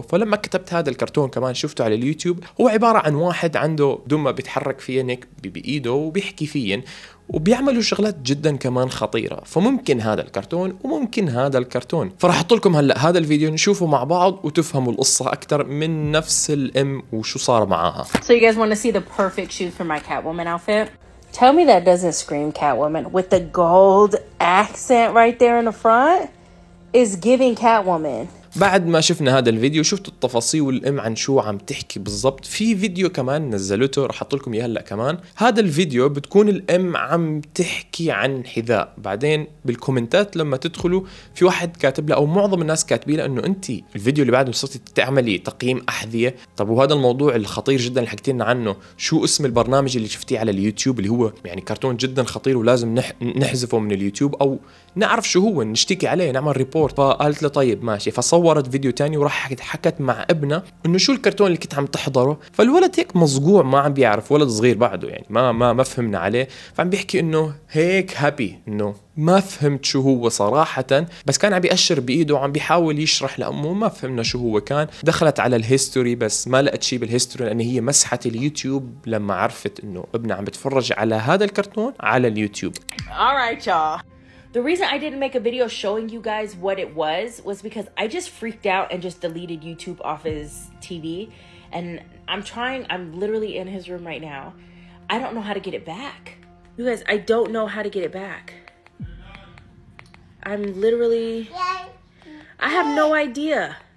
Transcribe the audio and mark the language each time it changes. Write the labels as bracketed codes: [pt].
[ar] فلما كتبت هذا الكرتون كمان شفته على اليوتيوب، هو عبارة عن واحد عنده دمى بيتحرك فيه نيك بإيده وبيحكي فيه وبيعملوا شغلات جدا كمان خطيرة. فممكن هذا الكرتون وممكن هذا الكرتون، فراح أحط لكم هلأ هذا الفيديو نشوفه مع بعض وتفهموا القصة أكتر من نفس الأم وشو صار معاها. [en] So you guys want to see the perfect shoes for my Catwoman outfit? Tell me that doesn't scream Catwoman with the gold accent right there in the front is giving Catwoman. [ar] بعد ما شفنا هذا الفيديو شفت التفاصيل والأم عن شو عم تحكي بالضبط. في فيديو كمان نزلته رح أحط لكم إياه هلأ كمان. هذا الفيديو بتكون الأم عم تحكي عن حذاء، بعدين بالكومنتات لما تدخلوا في واحد كاتب لها أو معظم الناس كاتبين لها أنه أنت الفيديو اللي بعده صرتي تعملي تقييم أحذية. طب وهذا الموضوع الخطير جدا اللي حكيتنا عنه، شو اسم البرنامج اللي شفتيه على اليوتيوب اللي هو يعني كرتون جدا خطير ولازم نحذفه من اليوتيوب أو نعرف شو هو نشتكي عليه نعمل ريبورت؟ فقالت له طيب ماشي. فصورت فيديو تاني وراح حكت مع ابنه انه شو الكرتون اللي كنت عم تحضره. فالولد هيك مصقوع ما عم بيعرف، ولد صغير بعده يعني ما فهمنا عليه. فعم بيحكي انه هيك هابي انه ما فهمت شو هو صراحة، بس كان عم بيأشر بإيده وعم بيحاول يشرح لأمه ما فهمنا شو هو. كان دخلت على الهيستوري بس ما لقت شي بالهيستوري لأن هي مسحت اليوتيوب لما عرفت انه ابنه عم بتفرج على هذا الكرتون على اليوتيوب. [en] The reason I didn't make a video showing you guys what it was because I just freaked out and just deleted YouTube off his TV. And I'm literally in his room right now. I don't know how to get it back. You guys, I don't know how to get it back. I'm literally, I have no idea.